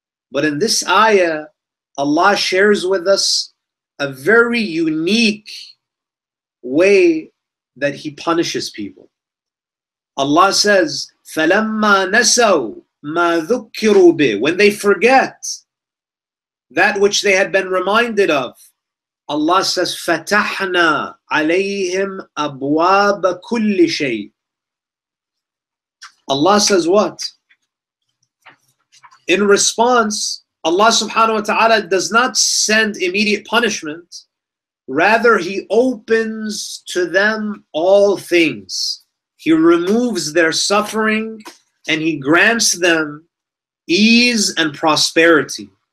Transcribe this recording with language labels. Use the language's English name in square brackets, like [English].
[English] But in this ayah, Allah shares with us a very unique way that he punishes people. Allah says, [Arabic] فَلَمَّا نَسَوْا مَا ذُكِّرُوا بِهِ. [English] When they forget that which they had been reminded of, Allah says, [Arabic] فَتَحْنَا عَلَيْهِمْ أَبْوَابَ كُلِّ شَيْءٍ. [English] Allah says what? In response, Allah subhanahu wa ta'ala does not send immediate punishment. Rather, He opens to them all things. He removes their suffering and He grants them ease and prosperity.